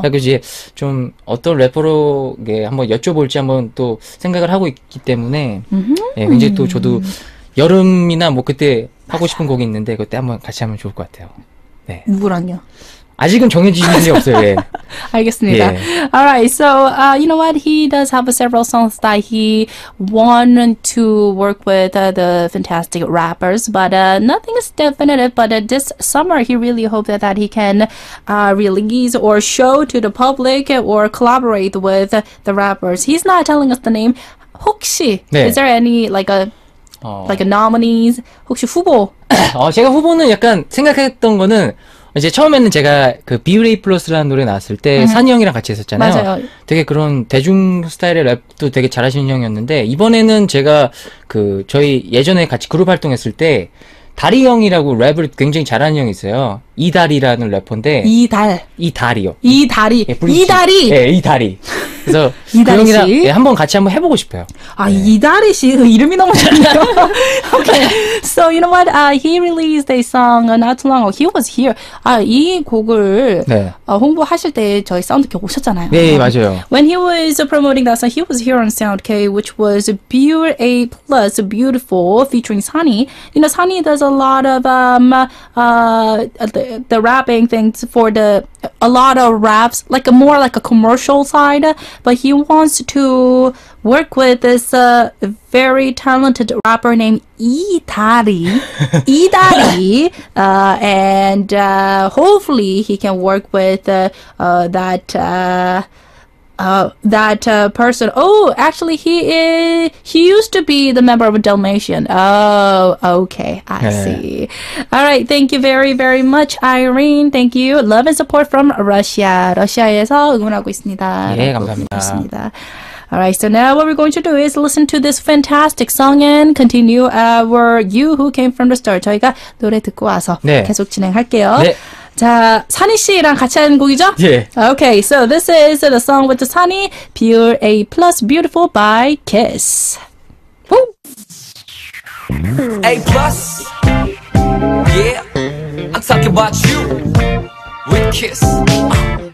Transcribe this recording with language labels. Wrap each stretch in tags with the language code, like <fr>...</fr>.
<ko>그래서 이제 좀 어떤 래퍼로</ko> <en>예, 한번 여쭤볼지 한번 또 생각을 하고 있기 때문에 예, 굉장히 또 저도 여름이나 뭐 그때 하고</en> <ko>싶은 곡이 있는데 그때 한번 같이 하면 좋을 것 같아요. 네. 누구랑요? 아직은 정해진 일이 없어요. 예. 알겠습니다. 예.</ko> <en>Alright, so you know what? He does have several songs that he wanted to work with the fantastic rappers, but nothing is definitive. But this summer, he really hopes that he can release or show to the public or collaborate with the rappers. He's not telling us the name.</en> <ko>혹시 네.</ko> <en>is there any like a nominees?</en> <ko>혹시 후보? 제가 후보는 약간 생각했던 거는 이제 처음에는 제가 그 B-Ray Plus라는 노래 나왔을 때 산이 형이랑 같이 했었잖아요. 맞아요. 되게 그런 대중 스타일의 랩도 되게 잘하시는 형이었는데 이번에는 제가 그 저희 예전에 같이 그룹 활동했을 때 다리 형이라고 랩을 굉장히 잘하는 형이 있어요. 이달이라는 래퍼인데 이달 이달이요. 이달이 예, 이달이 예, 이달이 그래서 이달이 그 형이랑 예, 한번 같이 한번 해보고 싶어요. 아 네. 이달이 씨 이름이 너무 좋네요.</ko> <en>Okay, so you know what? He released a song not too long ago. He was here.</en> <ko>아 이 곡을 네. 홍보하실 때 저희 사운드캐 오셨잖아요. 네 맞아요.</ko> <en>When he was promoting that song, he was here on Sound K, which was Pure A Plus Beautiful featuring Sunny. You know, Sunny does a lot of the rapping things for the a lot of raps, like a more like a commercial side, but he wants to work with this very talented rapper named Idari. Idari. and hopefully he can work with that person. Oh, actually he used to be the member of Dalmatian. Oh, okay. I yeah. see. All right, thank you very very much Irene. Thank you. Love and support from Russia.</en> <ko>러시아에서 응원하고 있습니다. 예, 감사합니다.</ko> <en>All right, so now what we're going to do is listen to this fantastic song and continue our You Who Came From The Start.</en> <ko>저희가 노래 듣고 와서 네. 계속 진행할게요. 네. 자, 산이 씨랑 같이 하는 곡이죠? 예.</ko> <en>Okay, so this is the song with the 산이, Pure A Plus Beautiful by KIXS. Woo! A Plus, yeah, I'm talking about you, with KIXS.</en>